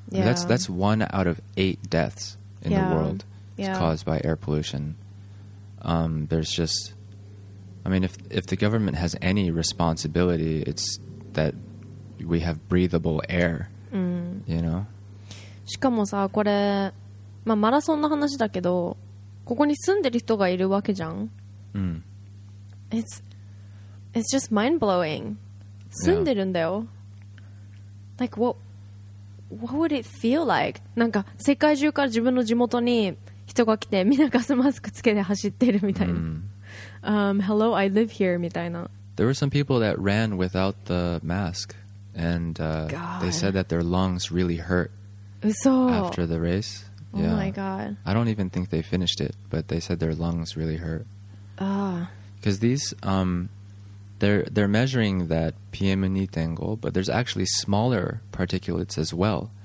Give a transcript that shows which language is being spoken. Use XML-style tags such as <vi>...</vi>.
<en>Yeah. That's one out of 8 deaths in the world is caused by air pollution. There's just, I mean, if the government has any responsibility, it's thatWe have breathable air, you know?</en> <ja>しかもさ、これ、まあ、マラソンの話だけど、ここに住んでる人がいるわけじゃん。</ja> <en>It's just mind blowing.</en> <ja>住んでるんだよ。</ja> <en>Like, what would it feel like?</en> <ja>なんか世界中から自分の地元に人が来て、みんなガスマスクつけて走ってるみたいな。</ja> <en>Hello, I live here</en> <ja>みたいな。</ja> <en>There were some people that ran without the mask. And they said that their lungs really hurt after the race. Yeah. Oh my god. I don't even think they finished it, but they said their lungs really hurt. Because these, they're measuring that PM2.5, but there's actually smaller particulates as well.</en>